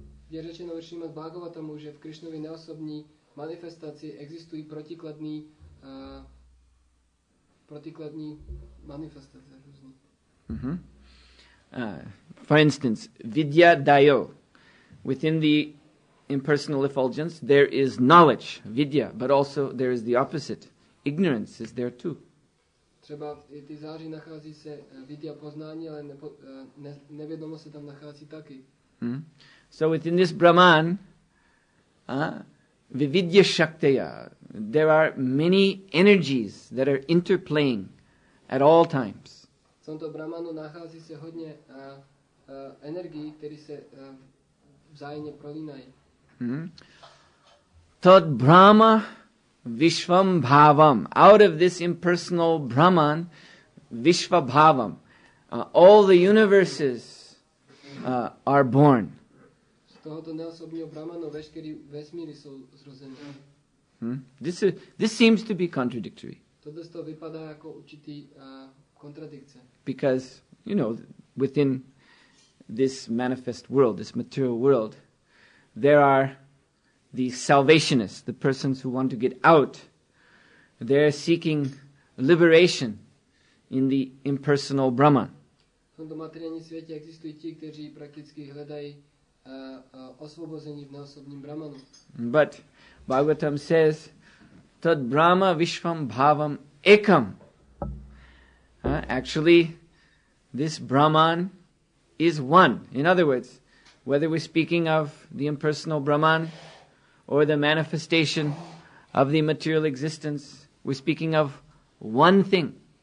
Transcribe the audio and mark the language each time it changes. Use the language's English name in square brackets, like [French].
[Czech] Je řečeno ve Srimad Bhagavatamu, že v Krišnovi neosobní manifestaci existují protikladní protikladní manifestace různé. [English] For instance, [Sanskrit] vidya dayo. [English] Within the impersonal effulgence, there is knowledge, vidya, but also there is the opposite. Ignorance is there too. [Czech] Třeba v té záři nachází se vidya poznání, ale nevědomo se tam nachází taky. [English] So within this Brahman, [Sanskrit] vividya shaktaya, [English] there are many energies that are interplaying at all times. [Czech] V tomto Brahmanu nachází se hodně energií, které se vzájemně prolínají. [Sanskrit] Tad Brahma Vishvam Bhavam. [English] Out of this impersonal Brahman, [Sanskrit] Vishva Bhavam. [English] All the universes are born. [Czech] Tohoto neosobního Brahmanu veškerý vesmíry jsou zrozeny. [English] This seems to be contradictory. [Czech] Tohle to vypadá jako určitý kontradikce. [English] Because, you know, within this manifest world, this material world, there are the salvationists, the persons who want to get out. They're seeking liberation in the impersonal Brahman. [Czech] V tomto materiálním světě existují ti, kteří prakticky hledají osvobození v neosobním Brahmanu. [English] But Bhagavatam says, [Sanskrit] Tad Brahma Vishvam Bhavam Ekam. [English] Actually, this Brahman is one. In other words, whether we're speaking of the impersonal Brahman or the manifestation of the material existence, we're speaking of one thing.